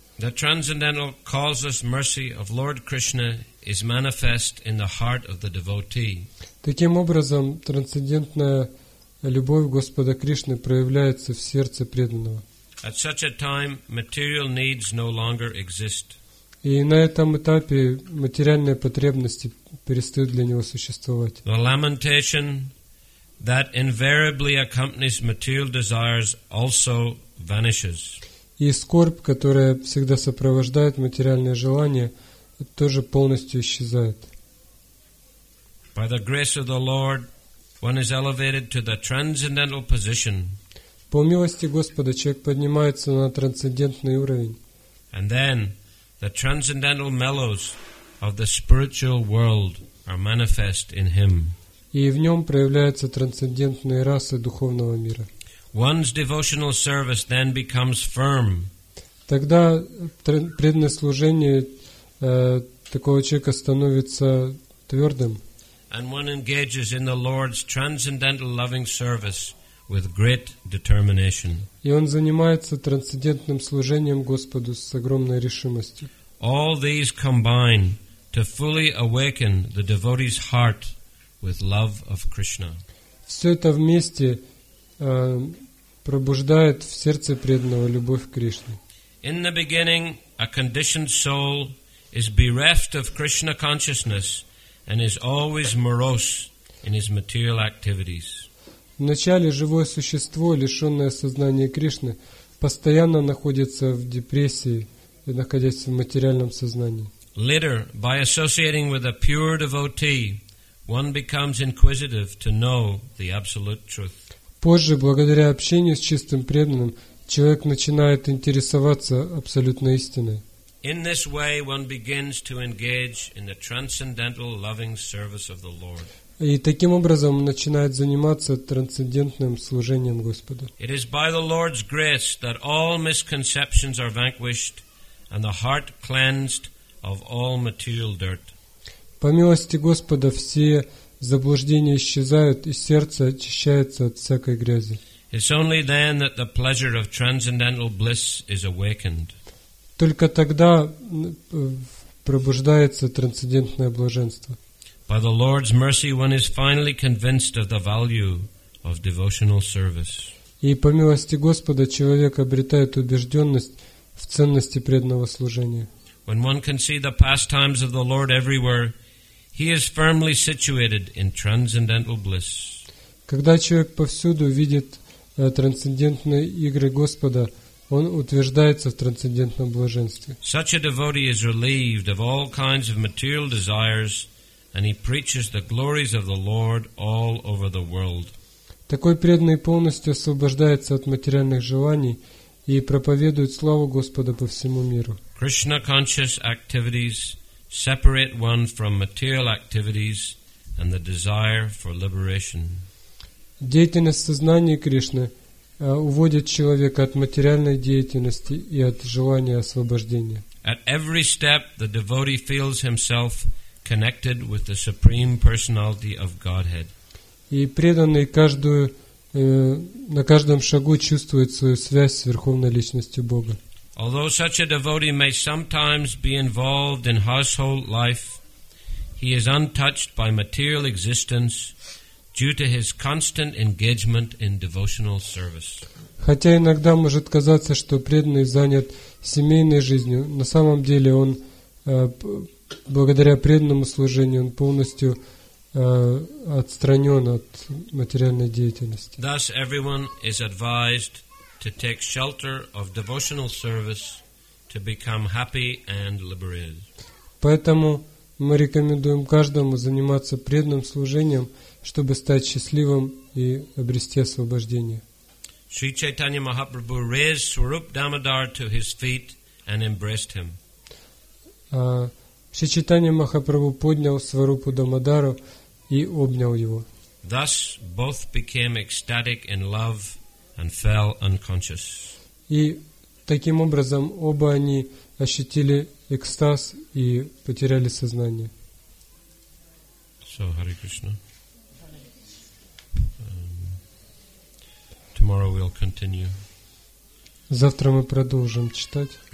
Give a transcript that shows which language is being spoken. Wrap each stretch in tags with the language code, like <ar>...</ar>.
<en>The transcendental causeless mercy of Lord Krishna is manifest in the heart of the devotee.</en> <ru>Таким образом, трансцендентная любовь Господа Кришны проявляется в сердце преданного.</ru> <en>At such a time, material needs no longer exist.</en> <ru>И на этом этапе материальные потребности перестают для него существовать.</ru> <en>The lamentation that invariably accompanies material desires also vanishes.</en> <ru>И скорбь, которая всегда сопровождает материальные желания, тоже полностью исчезает.</ru> <en>By the grace of the Lord, one is elevated to the transcendental position.</en> <ru>По милости Господа человек поднимается на трансцендентный уровень.</ru> <en>And then the transcendental mellows of the spiritual world are manifest in him.</en> <ru>И в нём проявляются трансцендентные расы духовного мира.</ru> <en>One's devotional service then becomes firm.</en> <ru>Тогда преданное служение такого человека становится твёрдым.</ru> <en>And one engages in the Lord's transcendental loving service with great determination.</en> <ru>И он занимается трансцендентным служением Господу с огромной решимостью.</ru> <en>All these combine to fully awaken the devotee's heart with love of Krishna.</en> <ru>Все это вместе пробуждает в сердце преданного любовь к Кришне.</ru> <en>In the beginning, a conditioned soul is bereft of Krishna consciousness and is always morose in his material activities.</en> <ru>Вначале живое существо, лишенное сознания Кришны, постоянно находится в депрессии, находясь в материальном сознании.</ru> <en>Later, by associating with a pure devotee, one becomes inquisitive to know the absolute truth.</en> <ru>Позже, благодаря общению с чистым преданным, человек начинает интересоваться абсолютной истиной.</ru> <en>In this way, one begins to engage in the transcendental loving service of the Lord.</en> <ru>И таким образом начинает заниматься трансцендентным служением Господу.</ru> <en>It is by the Lord's grace that all misconceptions are vanquished and the heart cleansed of all material dirt.</en> <ru>По милости Господа все заблуждения исчезают и сердце очищается от всякой грязи.</ru> <en>It's only then that the pleasure of transcendental bliss is awakened.</en> <ru>Только тогда пробуждается трансцендентное блаженство.</ru> <en>By the Lord's mercy, one is finally convinced of the value of devotional service.</en> <ru>И по милости Господа человек обретает убежденность в ценности преданного служения.</ru> <en>When one can see the pastimes of the Lord everywhere, he is firmly situated in transcendental bliss.</en> <ru>Когда человек повсюду видит трансцендентные игры Господа, он утверждается в трансцендентном блаженстве.</ru> <en>Such a devotee is relieved of all kinds of material desires. And he preaches the glories of the Lord all over the world.</en> <ru>Такой преданный полностью освобождается от материальных желаний и проповедует славу Господа по всему миру.</ru> <en>Krishna conscious activities separate one from material activities and the desire for liberation.</en> <ru>Деятельность сознания Кришны уводит человека от материальной деятельности и от желания освобождения.</ru> <en>At every step, the devotee feels himself connected with the supreme personality of Godhead.</en> <ru>И преданный каждую на каждом шагу чувствует свою связь с верховной личностью Бога.</ru> <en>Although such a devotee may sometimes be involved in household life, he is untouched by material existence due to his constant engagement in devotional service.</en> <ru>Хотя иногда может казаться, что преданный занят семейной жизнью, на самом деле он благодаря преданному служению он полностью отстранен от материальной деятельности.</ru> <en>Thus everyone is advised to take shelter of devotional service to become happy and liberated.</en> <ru>Поэтому мы рекомендуем каждому заниматься преданным служением, чтобы стать счастливым и обрести освобождение.</ru> <en>Sri Chaitanya Mahaprabhu raised Swarup Damodar to his feet and embraced him.</en> <ru>Шри Чайтанья Махапрабху поднял Сварупу Дамодару и обнял его.</ru> <en>Thus both became ecstatic in love and fell unconscious.</en> <ru>И таким образом оба они ощутили экстаз и потеряли сознание.</ru> <en>So, Hare Krishna. Tomorrow we'll continue.</en> <ru>Завтра мы продолжим читать.</ru>